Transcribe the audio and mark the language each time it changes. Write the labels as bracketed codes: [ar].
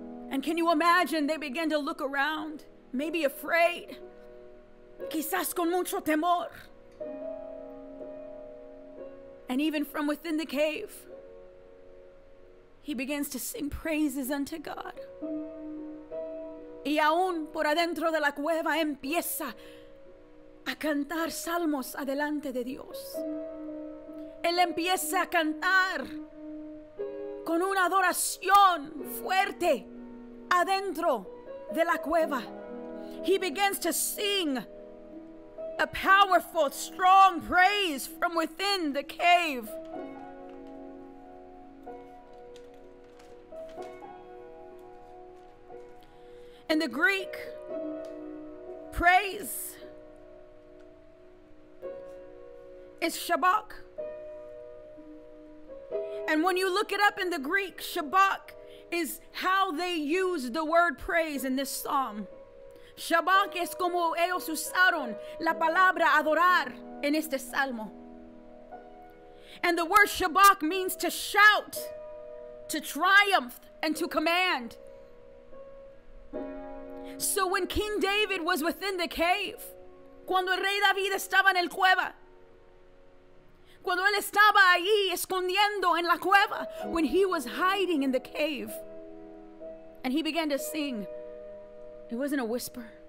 [en] And can you imagine they began to look around, maybe afraid. [es] Quizás con mucho temor. [en] And even from within the cave, he begins to sing praises unto God. [es] Y aún por adentro de la cueva empieza a cantar salmos adelante de Dios. Él empieza a cantar con una adoración fuerte adentro de la cueva. [en] He begins to sing a powerful, strong praise from within the cave. In the Greek, praise is shabak. And when you look it up in the Greek, shabak is how they use the word praise in this psalm. [es] Shabak es como ellos usaron la palabra adorar en este salmo. [en] And the word shabak means to shout, to triumph, and to command. So when King David was within the cave, [es] cuando el rey David estaba en el cueva, cuando él estaba ahí escondiendo en la cueva, [en] when he was hiding in the cave, and he began to sing, it wasn't a whisper.